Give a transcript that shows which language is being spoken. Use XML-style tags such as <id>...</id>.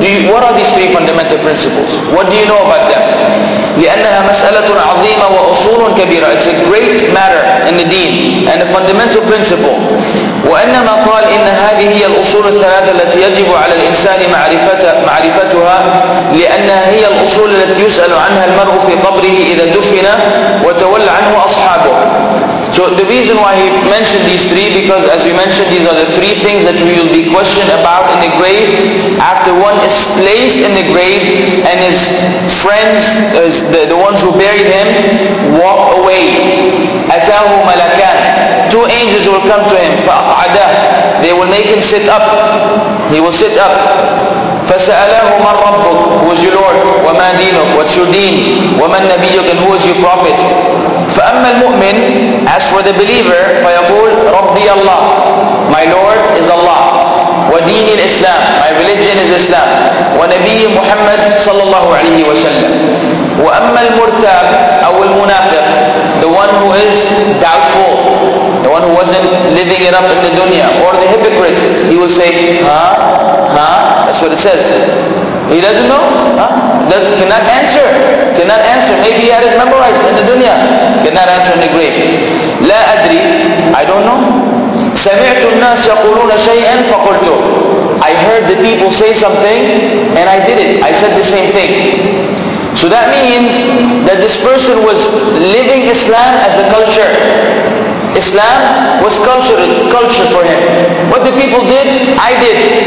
<en>What are these three fundamental principles? What do you know about them?</en> <ar>لأنها مسألة عظيمة وأصول كبيرة.</ar> <en>It's a great matter in the deen and a fundamental principle.</en> <ar>وأنما قال إن هذه هي الأصول الثلاثة التي يجب على الإنسان معرفتها لأنها هي الأصول التي يسأل عنها المرء في قبره إذا دفن وتولى عنه أصحابه.</ar> <en>So the reason why he mentioned these three, because as we mentioned, these are the three things that we will be questioned about in the grave after one is placed in the grave and his friends, the ones who buried him, walk away.</en> <ar>أتاه ملكان.</ar> <en>Two angels will come to him.</en> <ar>فأقعده.</ar> <en>They will make him sit up. He will sit up.</en> <ar>فسأله من ربك.</ar> <en>Who is your Lord?</en> <ar>وما دينك.</ar> <en>What's your deen?</en> <ar>ومن نبيك.</ar> <en>And who is your prophet?</en> <ar>فأما المؤمن.</ar> <en>As for the believer,</en> <ar>فيقول ربي الله.</ar> <en>My Lord is Allah.</en> <ar>ودين الإسلام.</ar> <en>My religion is Islam.</en> <ar>ونبي محمد صلى الله عليه وسلم. وأما المرتاب أو المنافق.</ar> <en>The one who is doubtful, the one who wasn't living it up in the dunya, or the hypocrite, he will say, that's what it says. He doesn't know, cannot answer, maybe he had it memorized in the dunya, cannot answer in the grave.</en> <ar>لا أدري,</ar> <en>I don't know.</en> <ar>سمعت الناس يقولون شيئا فقلته.</ar> <en>I heard the people say something, and I did it, I said the same thing. So that means that this person was living Islam as a culture. Islam was culture for him. What the people did, I did.</en>